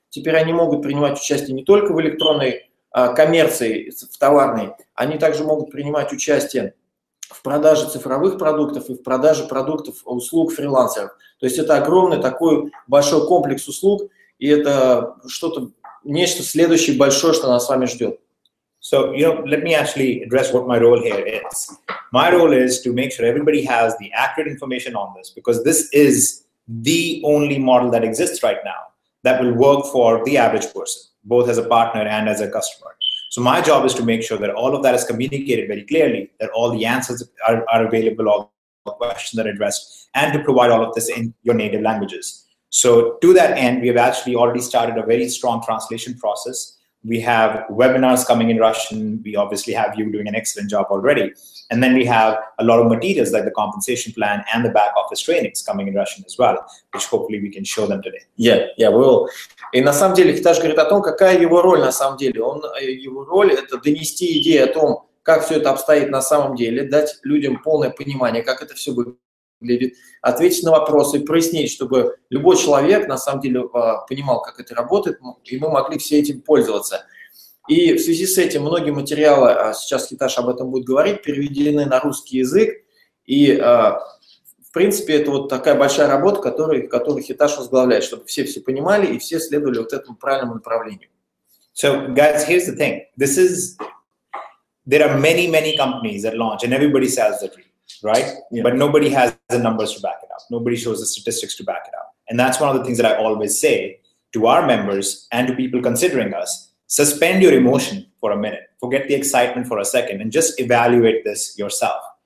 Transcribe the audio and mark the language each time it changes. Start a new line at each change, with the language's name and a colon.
Russian: Теперь они могут принимать участие не только в электронной коммерции, в товарной, они также могут принимать участие в продаже цифровых продуктов и в продаже продуктов услуг фрилансеров. То есть это огромный такой большой комплекс услуг, и это что-то, нечто следующее большое, что нас с вами ждет.
English: So, you know, let me actually address what my role here is. My role is to make sure everybody has the accurate information on this, because this is the only model that exists right now that will work for the average person, both as a partner and as a customer. So my job is to make sure that all of that is communicated very clearly, that all the answers are available, all the questions are addressed, and to provide all of this in your native languages. So to that end, we have actually already started a very strong translation process. We have webinars coming in Russian. We obviously have you doing an excellent job already. And then we have a lot of materials like the compensation plan and the back office trainings coming in Russian as well, which hopefully we can show them today. Yeah, we will.
Russian: И на самом деле Хитаж говорит о том, какая его роль на самом деле. Он, его роль – это донести идею о том, как все это обстоит на самом деле, дать людям полное понимание, как это все выглядит, ответить на вопросы, прояснить, чтобы любой человек на самом деле понимал, как это работает, и мы могли все этим пользоваться. И в связи с этим многие материалы, сейчас Хитаж об этом будет говорить, переведены на русский язык. И, в принципе, это вот такая большая работа, которую Хитаж возглавляет, чтобы все понимали и все следовали вот этому правильному направлению.
English: So, guys, here's the thing. This is... There are many companies that launch, and everybody sells the dream, right? Yeah. But nobody has the numbers to back it up. Nobody shows the statistics to back it up. And that's one of the things that I always say to our members and to people considering us. Suspend your emotion for a minute. Forget the excitement for a second and just evaluate this yourself.